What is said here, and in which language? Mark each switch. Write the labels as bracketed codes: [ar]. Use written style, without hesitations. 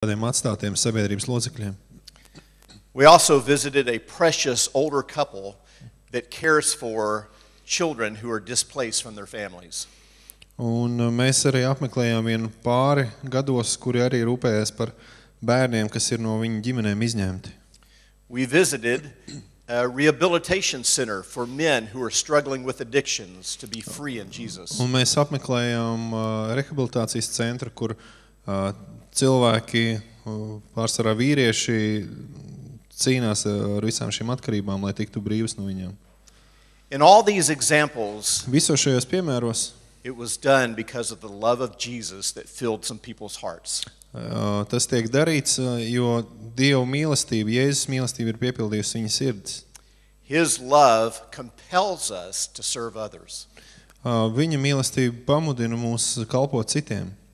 [lv] tādiem atstātiem sabiedrības locekļiem. [en] We also visited a precious older couple that cares for children who are displaced from their families. [lv] Un mēs arī apmeklējām vienu pāri gados, kuri arī rūpējās par bērniem, kas ir no viņu ģimenēm izņemti. [en] We visited a rehabilitation center for men who are struggling with addictions to be free in Jesus. [lv] Un mēs apmeklējām rehabilitācijas centru, kur cilvēki, pārsvarā vīrieši, cīnās ar visām šīm atkarībām, lai tiktu brīvs no viņām. [en] In all these examples, [lv] visos šajos piemēros, [en] it was done because of the love of Jesus that filled some people's hearts. [lv] Tas tiek darīts, jo Dieva mīlestība, Jēzus mīlestība ir piepildījusi viņa sirds. [en] His love compels us to serve others. [lv] Viņa mīlestība pamudina mūs kalpot citiem.